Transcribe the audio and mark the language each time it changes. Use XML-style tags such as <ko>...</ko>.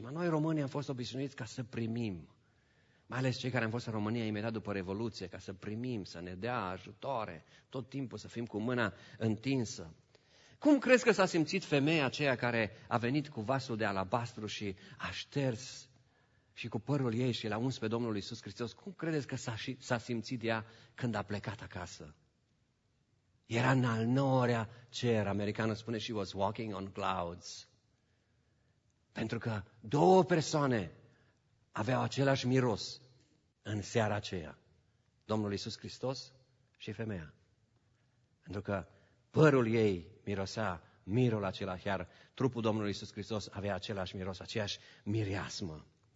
<ro>Ma noi românii am fost obișnuiți ca să primim. Mai ales cei care am fost în România imediat după Revoluție, ca să primim, să ne dea ajutoare, tot timpul să fim cu mâna întinsă. Cum crezi că s-a simțit femeia aceea care a venit cu vasul de alabastru și a șters și cu părul ei și l-a uns pe Domnul Iisus Hristos, cum credeți că s-a simțit ea când a plecat acasă? Era în al nouărea cer, americanul spune,</ro> <en>she was walking on clouds.</en> <ro>Pentru că două persoane aveau același miros în seara aceea, Domnul Iisus Hristos și femeia. Pentru că părul ei mirosea mirul acela, iar trupul Domnului Iisus Hristos avea același miros, aceeași mireasmă.</ro>